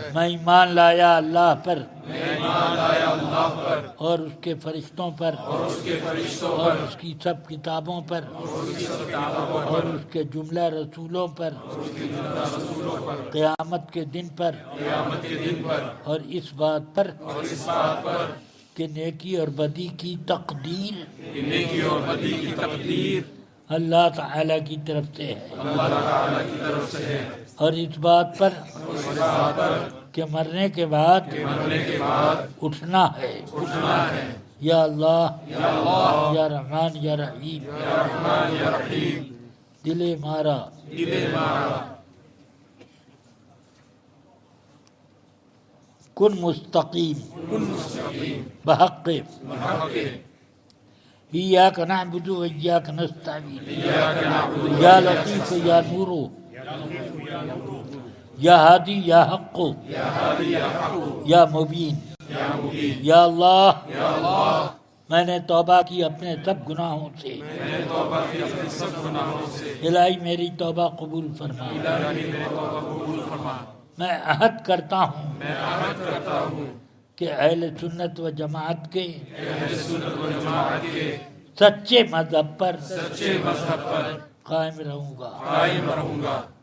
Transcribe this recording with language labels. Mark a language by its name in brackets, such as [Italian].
[Urdu] میں ایمان لایا اللہ پر اور اس کے فرشتوں پر اور اس کی سب کتابوں پر اور اس کے جملہ رسولوں پر قیامت کے دن پر اور اس بات پر کہ نیکی اور بدی کی تقدیر اللہ تعالی کی طرف سے ہے اور اس بات پر کہ مرنے کے بعد اٹھنا ہے. [Arabic] یا اللہ یا رحمان یا رحیم [Persian] دل مارا کن مستقیم [Arabic] بحق ایاک نعبد و ایاک نستعین یا لطیف یا نور یا ہادی یا حق یا مبین. [Urdu] یا اللہ میں نے توبہ کی اپنے سب گناہوں سے, الہی میری توبہ قبول فرما. میں عہد کرتا ہوں کہ اہل سنت و جماعت کے سچے مذہب پر قائم رہوں گا.